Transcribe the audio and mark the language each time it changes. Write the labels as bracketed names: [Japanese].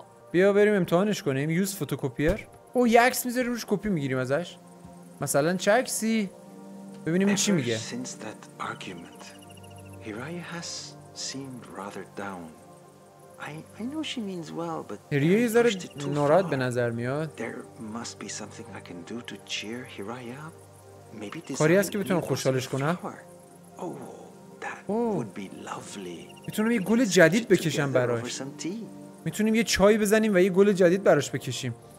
[Persian] بیا بریم امتحانش کنیم. [English] Use photocopier. [Persian] یه عکس میذاری روش، کپی میگیریم ازش. مثلا چه عکسی؟ ببینیم چی میگه. [English] Since that argument, Hiraya has seemed rather down. I know she means well, but [Persian] Hiraya یه ذره ناراحت به نظر میاد. [English] There must be something I can do to cheer Hiraya up. Maybe this [Persian] کاری هست که بتونم خوشحالش کنم. [English] Oh, that would be lovely. [Persian] میتونم یه گل جدید بکشم براش. میتونیم یه چای بزنیم و یه گل جدید براش بکشیم.